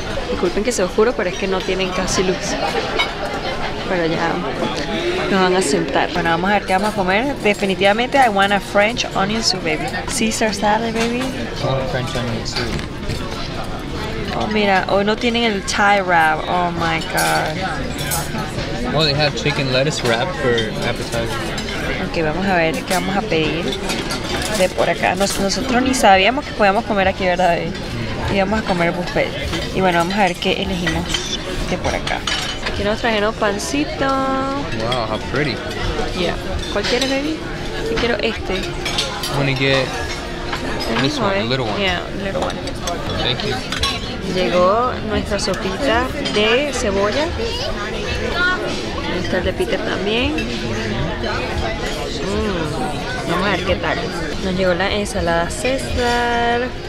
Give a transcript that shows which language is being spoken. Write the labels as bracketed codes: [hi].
[es] disculpen que se os juro, pero es que no tienen casi luz. Pero ya nos van a sentar. Bueno, vamos a ver qué vamos a comer. [en] Definitivamente, I want a French onion soup, baby. Caesar salad, baby. French onion soup. [es] Oh, mira, hoy no tienen el Thai wrap. [en] Oh, my God. Oh, they have chicken lettuce wrap for appetizer. [es] Ok, vamos a ver qué vamos a pedir de por acá. Nosotros ni sabíamos que podíamos comer aquí, ¿verdad, baby? Íbamos a comer buffet. Y bueno, vamos a ver qué elegimos de por acá. Aquí nos trajeron pancito. [en] Wow, how pretty. [es] Yeah. ¿Cuál quieres, baby? Yo quiero este. [en] I'm gonna get this one, a little one. Yeah, little one. Thank you. [es] Llegó nuestra sopita de cebolla. Está el de Peter también. Vamos a ver qué tal. Nos llegó la ensalada César.